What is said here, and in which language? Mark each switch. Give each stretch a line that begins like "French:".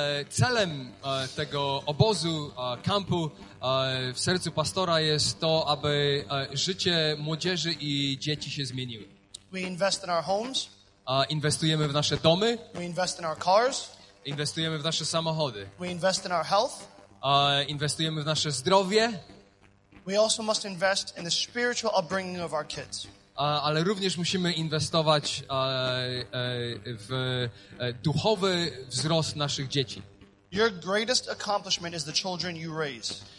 Polish: Celem tego obozu, kampu w sercu pastora jest to, aby życie młodzieży i dzieci się zmieniły.
English: We invest in our homes.
Polish: Inwestujemy w nasze domy.
English: We invest in our cars.
Polish: Inwestujemy w nasze samochody.
English: We invest in our health.
Polish: Inwestujemy w nasze zdrowie.
English: We also must invest in the spiritual upbringing of our kids.
Polish: Ale również musimy inwestować w duchowy wzrost naszych dzieci.
English: Your greatest accomplishment is the children you raise.